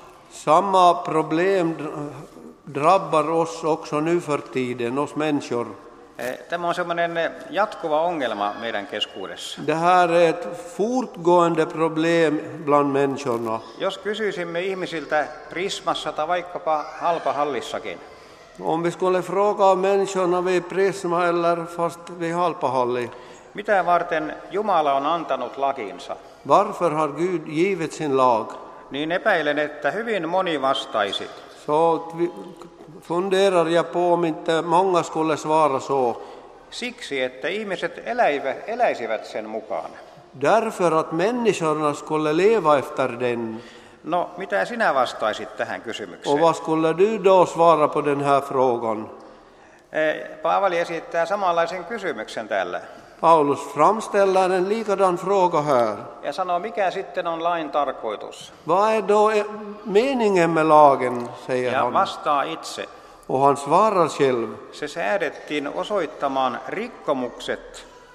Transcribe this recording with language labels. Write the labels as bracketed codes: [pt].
[sv] Samma problem drabbar oss också nu för tiden, oss människor. [fi] Tämä on semmoinen jatkuva ongelma meidän keskuudessa. [sv] Det här är ett fortgående problem bland människorna. [fi] Jos kysyisimme ihmisiltä Prismassa tai vaikkapa Halpahallissakin. [sv] Om vi skulle fråga människorna vid Prisma eller fast vid Halpahalli. [fi] Mitä varten Jumala on antanut lakinsa? [sv] Varför har Gud givet sin lag? [fi] Niin epäilen, että hyvin moni vastaisi. [sv] Så funderar jag på om inte många skulle svara så. [fi] Siksi, että ihmiset eläisivät sen mukaan. [sv] Därför att människorna skulle leva efter den. [fi] No, mitä sinä vastaisit tähän kysymykseen? [sv] Och vad skulle du då svara på den här frågan? [fi] Paavali esittää samanlaisen kysymyksen täällä. [sv] Paulus framställer en likadan fråga här. [fi] Ja sanoo, mikä sitten on lain tarkoitus? [sv] Vad är då meningen med lagen, säger [fi] han. Ja vastaa itse. [sv] Och han svarar själv. [fi] Se säädettiin osoittamaan rikkomukset.